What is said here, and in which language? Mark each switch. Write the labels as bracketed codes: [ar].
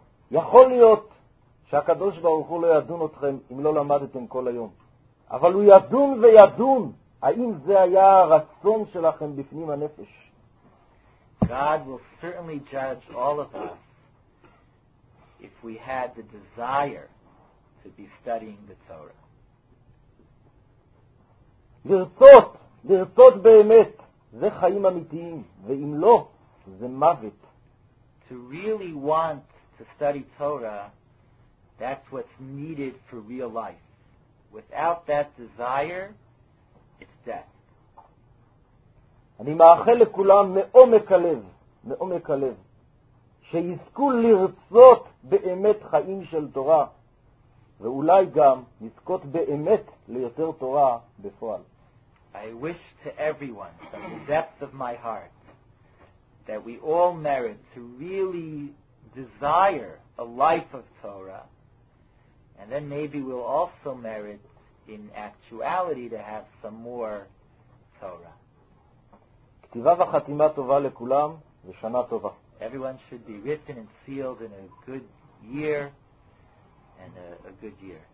[he] יכול להיות שהקדוש ברוך הוא לא ידון אתכם אם לא למדתם כל היום. אבל הוא ידון וידון האם זה היה הרצון שלכם בפנים הנפש. [en] God will certainly judge all of us if we had the desire to be studying the Torah. [he] לרצות, לרצות באמת, זה חיים אמיתיים, ואם לא, זה מוות. [en] To really want to study Torah, that's what's needed for real life. Without that desire, it's death. [he] אני מאחל לכולם מעומק הלב, מעומק הלב, שיזכו לרצות באמת חיים של תורה, ואולי גם נזכות באמת ליותר תורה בפועל. [en] I wish to everyone from the depth of my heart that we all merit to really desire a life of Torah, and then maybe we'll also merit in actuality to have some more Torah. [he] כתיבה וחתימה טובה לכולם ושנה טובה. [en] Everyone should be written and sealed in a good year and a good year.